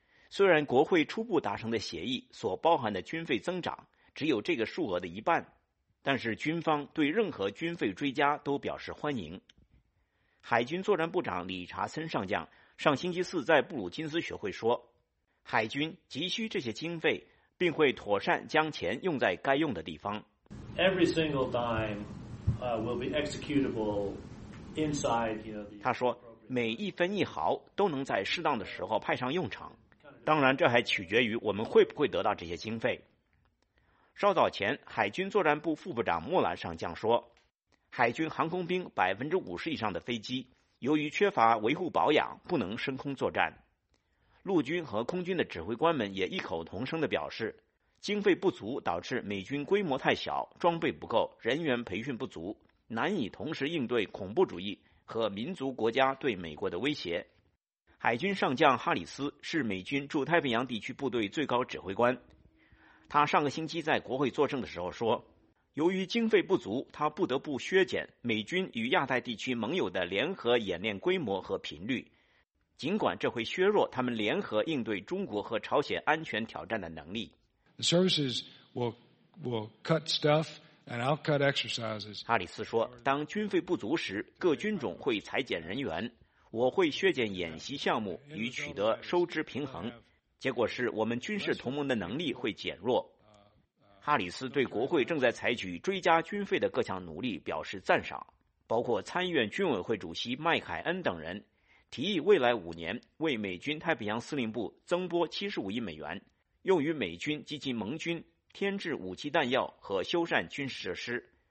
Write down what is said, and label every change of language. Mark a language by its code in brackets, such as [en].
[zh] 虽然国会初步达成的协议所包含的军费增长只有这个数额的一半，但是军方对任何军费追加都表示欢迎。海军作战部长理查森上将上星期四在布鲁金斯学会说，海军急需这些经费，并会妥善将钱用在该用的地方。 [en] Every single dime will be executable inside, you know, [zh] 他说每一分一毫都能在适当的时候派上用场，当然这还取决于我们会不会得到这些经费。稍早前，海军作战部副部长莫兰上将说，海军航空兵50%以上的飞机由于缺乏维护保养不能升空作战。陆军和空军的指挥官们也异口同声地表示，经费不足导致美军规模太小，装备不够，人员培训不足，难以同时应对恐怖主义和民族国家对美国的威胁。海军上将哈里斯是美军驻太平洋地区部队最高指挥官，他上个星期在国会作证的时候说，由于经费不足，他不得不削减美军与亚太地区盟友的联合演练规模和频率，尽管这会削弱他们联合应对中国和朝鲜安全挑战的能力。 [en] The services will cut stuff and I'll cut exercises. [zh] 哈里斯说，当军费不足时，各军种会裁减人员，我会削减演习项目与取得收支平衡，结果是我们军事同盟的能力会减弱。哈里斯对国会正在采取追加军费的各项努力表示赞赏，包括参议院军委会主席麦凯恩等人提议未来5年为美军太平洋司令部增拨75亿美元，用于美军及其盟军添置武器弹药和修缮军事设施。